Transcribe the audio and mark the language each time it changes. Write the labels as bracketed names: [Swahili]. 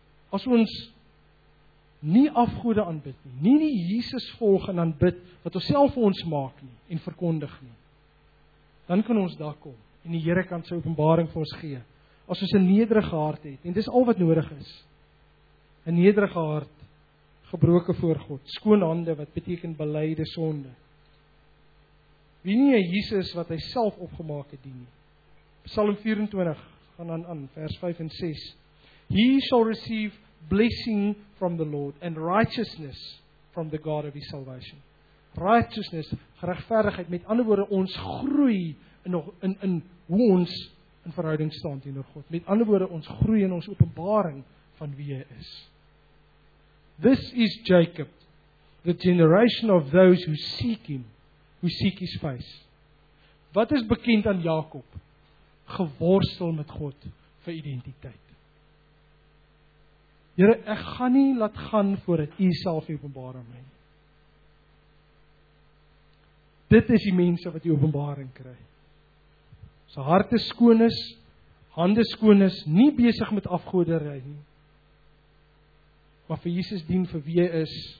[Afrikaans] As ons nie afgode aanbid nie, nie die Jesus volg en aanbid wat ons self vir ons maak nie en verkondig nie, dan kan ons daar kom en die Here kan sy openbaring vir ons gee. As ons 'n nederige hart het, en dis al wat nodig is, 'n nederige hart, gebroken voor God, skoon hande wat beteken belyde sonde. Wie nie 'n Jesus wat hy self opgemaak het dien nie. Psalm 24 gaan dan aan vers 5 en 6. [English] "He shall receive blessing from the Lord and righteousness from the God of his salvation." [Afrikaans] Righteousness, geregverdigheid, met ander woorde, ons groei in hoe ons in verhouding staan teenoor God. Met ander woorde, ons groei in ons openbaring van wie hy is. [English] "This is Jacob, the generation of those who seek him, who seek his face." [Afrikaans] Wat is bekend aan Jacob? Geworstel met God vir identiteit. Here, ek gaan nie laat gaan voordat u self openbaar aan my. Dit is die mense wat die openbaring kry. Sy hart is skoon is, hande skoon is, nie besig met afgoderry nie, maar vir Jesus dien vir wie hy is.